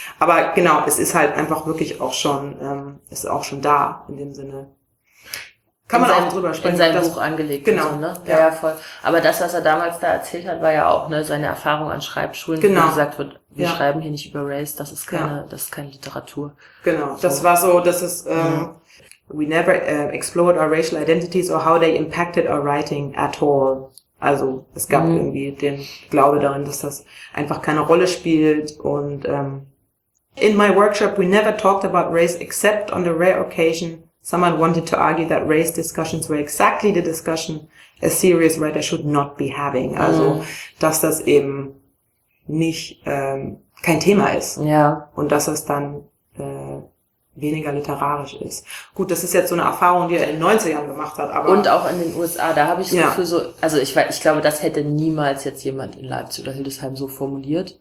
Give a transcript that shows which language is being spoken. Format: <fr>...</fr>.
<de>Aber genau, es ist halt einfach wirklich auch schon, ist auch schon da in dem Sinne. Kann man auch drüber sprechen. In seinem Buch angelegt. Genau. So, ne? Ja, voll. Aber das, was er damals da erzählt hat, war ja auch, ne, seine Erfahrung an Schreibschulen, genau, wo gesagt wird, wir schreiben hier nicht über Race, das ist keine Literatur. Genau. So. Das war so, das ist,</de> <en>we never explored our racial identities or how they impacted our writing at all.</en> <de>Also es gab irgendwie den Glaube darin, dass das einfach keine Rolle spielt.</de> <en>Und in my workshop we never talked about race except on the rare occasion someone wanted to argue that race discussions were exactly the discussion a serious writer should not be having.</en> <de>Also dass das eben nicht kein Thema ist. Ja. Und dass es dann weniger literarisch ist. Gut, das ist jetzt so eine Erfahrung, die er in den 90ern gemacht hat, aber. Und auch in den USA, da habe ich das Gefühl so, also ich glaube, das hätte niemals jetzt jemand in Leipzig oder Hildesheim so formuliert.</de>